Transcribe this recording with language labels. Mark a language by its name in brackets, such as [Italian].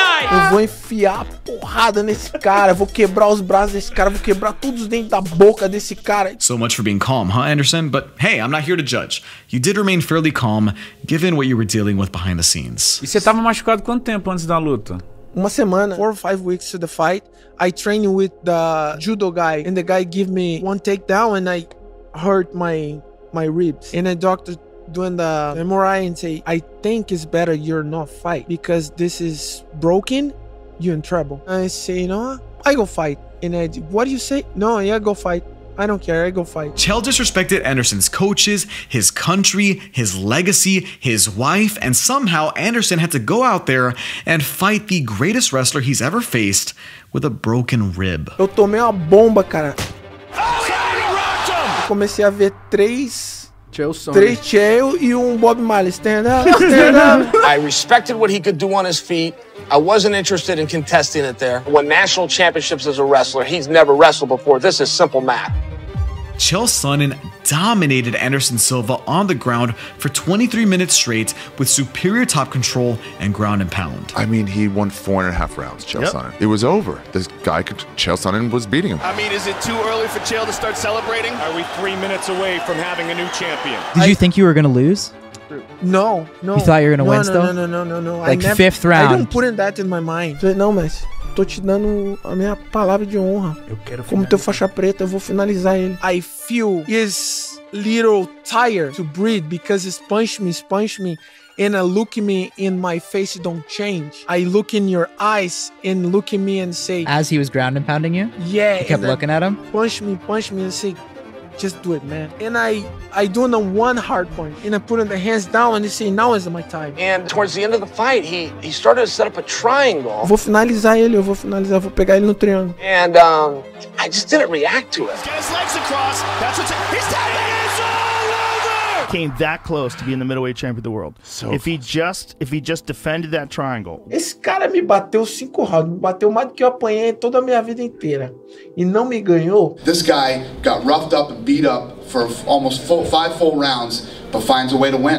[Portuguese] Eu vou enfiar a porrada nesse cara, vou quebrar os braços desse cara, vou quebrar todos os dentes da boca desse cara. [English] So much for being calm, huh, Anderson? But hey, I'm not here to judge. You did remain fairly calm, given what you were dealing with behind the scenes. [Portuguese] E você tava machucado quanto tempo antes da luta? Uma semana. [English] 4 or 5 weeks to the fight, I trained with the judo guy, and the guy gave me one takedown, and I hurt my ribs. And a doctor doing the MRI and say, I think it's better you're not fight because this is broken, you're in trouble. I say, you know what? I go fight. And I, what do you say? No, yeah, go fight. I don't care, I go fight. Chael disrespected Anderson's coaches, his country, his legacy, his wife, and somehow Anderson had to go out there and fight the greatest wrestler he's ever faced with a broken rib. [Portuguese] Eu tomei uma bomba, cara. Comecei a ver três Chael e um Bob Marley. [English] Stand up. I respected what he could do on his feet. I wasn't interested in contesting it there. When national championships as a wrestler, he's never wrestled before. This is simple math. Chael Sonnen dominated Anderson Silva on the ground for 23 minutes straight with superior top control and ground and pound. I mean, he won 4.5 rounds, Chael Sonnen. It was over. This guy, Chael Sonnen, was beating him. I mean, is it too early for Chael to start celebrating? Are we 3 minutes away from having a new champion? Did you think you were going to lose? No. You thought you were going to win, still? No. Fifth round. I didn't put that in my mind. No, man. [Portuguese] Tô te dando a minha palavra de honra. Eu quero como teu faixa preta, eu vou finalizar ele. [English] I feel his little tired to breathe because he's punched me, and a look me in my face don't change. I look in your eyes and look at me and say... As he was ground and pounding you? Yeah. He kept looking at him? Punch me and say, just do it, man. And I do it on one hard point, and I put the hands down, and he say, now is my time. And towards the end of the fight, he started to set up a triangle. [Portuguese] Eu vou pegar ele no triângulo. [English] And I just didn't react to it. His legs across, that's what's it. He's down there! Came that close to being the middleweight champion of the world. So if he just defended that triangle. [Portuguese] Esse cara me bateu 5 rounds, me bateu mais do que eu apanhei toda a minha vida inteira. E não me ganhou. [English] This guy got roughed up and beat up for almost 5 full rounds, but finds a way to win.